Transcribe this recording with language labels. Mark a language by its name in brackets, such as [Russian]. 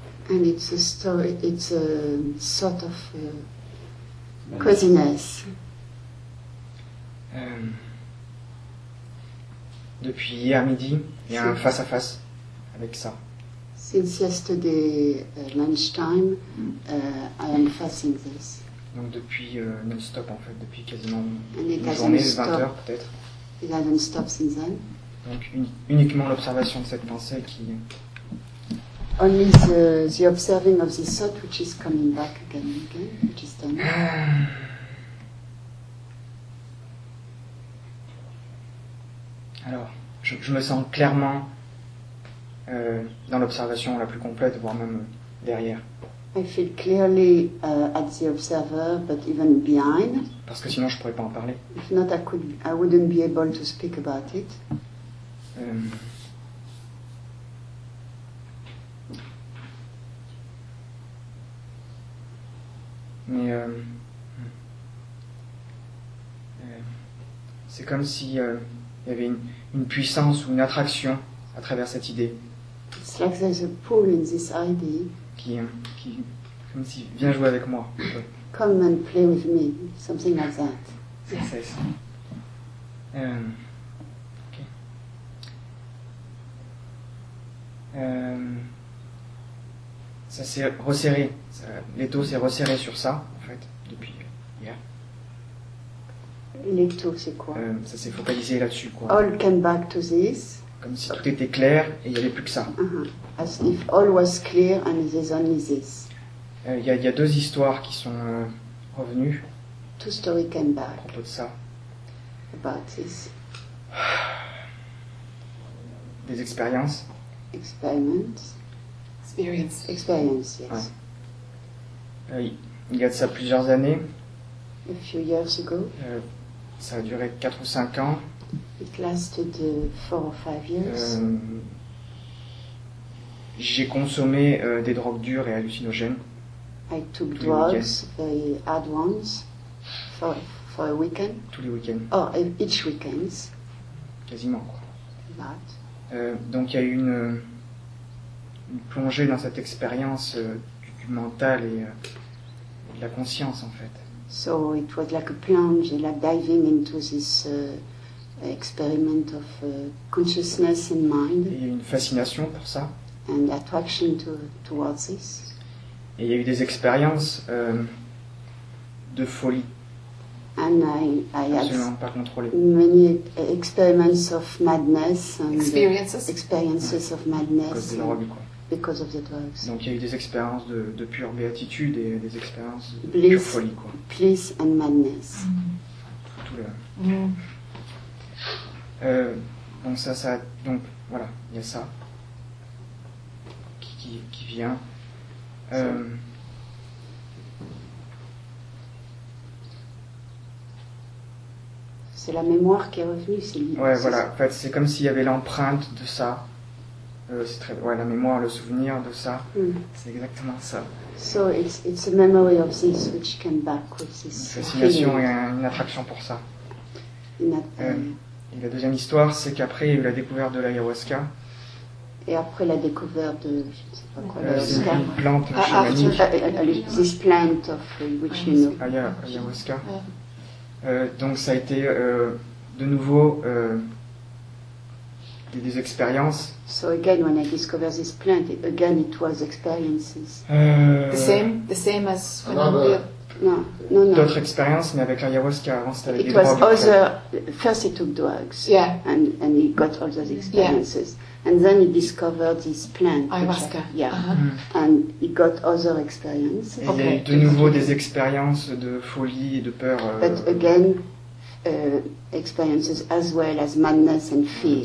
[English] And it's a story, it's a sort of a craziness. [French] Depuis hier midi, il y a un face à face avec ça. [English] Since yesterday lunchtime, I am facing this. [French] Donc depuis non-stop en fait, depuis quasiment une journée, 20 heures peut-être. [English] It hasn't stopped since then. [French] Donc uniquement l'observation de cette pensée qui. [English] Only the observing of this thought which is coming back again, okay, which is done. [French] Alors, je me sens clairement dans l'observation la plus complète, voire même derrière. [English] I feel clearly at the observer, but even behind. [French] Parce que sinon, je ne pourrais pas en parler. [English] If not, I wouldn't be able to speak about it. [French] Mais c'est comme si il y avait une puissance ou une attraction à travers cette idée. [English] It's like there's a pull in this idea. [French] Qui comme si vient jouer avec moi. [English] Come and play with me, something like that. [French] C'est ça. Okay. Ça s'est resserré. L'étau s'est resserré sur ça, en fait, depuis. L'étau, c'est quoi? Ça s'est focalisé là-dessus, quoi. [English] All came back to this. [French] Comme si tout était clair et il n'y avait plus que ça. [English] As if all was clear and there's only this. [French] Il y a deux histoires qui sont revenues. [English] Two stories came back. [French] À propos de ça. [English] About this. [French] Des expériences. [English] Experiments. Experience. Experience, yes. [French] Ouais. Il y a de ça plusieurs années. [English] A few years ago. [French] Ça a duré 4 ou 5 ans. [English] It lasted 4 or 5 years. [French] J'ai consommé des drogues dures et hallucinogènes. [English] I took drugs, very hard ones, for a weekend. [French] Tous les week-ends. [English] Or each weekend. [French] Quasiment, quoi. [English] That. [French] Donc il y a eu une plongée dans cette expérience du mental et de la conscience, en fait. [English] So it was like a plunge, like diving into this experiment of consciousness and mind. [French] Et il y a eu une fascination pour ça. [English] And attraction towards this. [French] Et il y a eu des expériences de folie. [English] And I [French] absolument pas contrôlées. [English] Many experiments of madness. And experiences of madness. [French] Cause de la drogue, quoi. [English] Because of the drugs. [French] Donc il y a eu des expériences de pure béatitude et des expériences de pure folie, quoi. [English] Bliss and madness. [French] Tout le. Donc ça donc voilà, il y a ça qui vient. C'est la mémoire qui est revenue, c'est. Ouais, c'est voilà. En fait, c'est comme s'il y avait l'empreinte de ça. C'est très, ouais, la mémoire, le souvenir de ça, c'est exactement ça. [English] So it's a memory of this which came back with this. [French] Fascination et une attraction pour ça. Et la deuxième histoire, c'est qu'après la découverte de l'ayahuasca. Et après la découverte de, je ne sais pas quoi, une plante chamanique. [English] This plant of which you know. Ayahuasca. [French] Donc ça a été de nouveau des expériences. [English] So again, when I discovered this plant, again it was experiences. The same as when No. [French] D'autres expériences, mais avec l'ayahuasca, avant c'était avec [English] it It was other. First, he took drugs. Yeah. And he got all those experiences. Yeah. And then he discovered this plant. Ayahuasca. Which, yeah. Uh-huh. And he got other experiences. [French] Okay. Il y a eu de nouveau des expériences de folie et de peur. [English] But again, experiences as well as madness and fear.